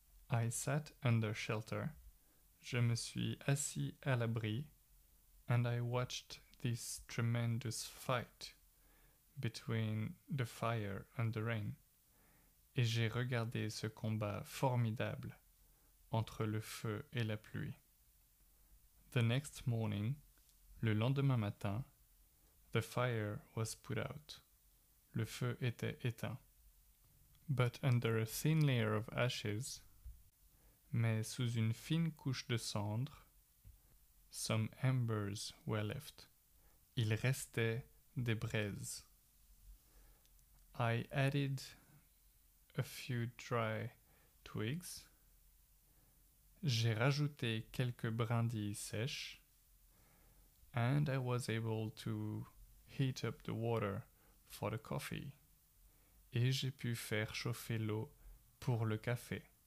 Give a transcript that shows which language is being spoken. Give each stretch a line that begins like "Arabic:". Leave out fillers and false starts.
English: I sat under shelter.
French: Je me suis assis à l'abri,
English: and I watched this tremendous fight between the fire and the rain.
French: Et j'ai regardé ce combat formidable entre le feu et la pluie.
English: The next morning,
French: le lendemain matin,
English: the fire was put out.
French: Le feu était éteint.
English: But under a thin layer of ashes,
French: mais sous une fine couche de cendre, some embers were left. Il restait des braises.
English: I added a few dry twigs.
French: J'ai rajouté quelques brindilles sèches.
English: And I was able to heat up the water for the coffee.
French: Et j'ai pu faire chauffer l'eau pour le café.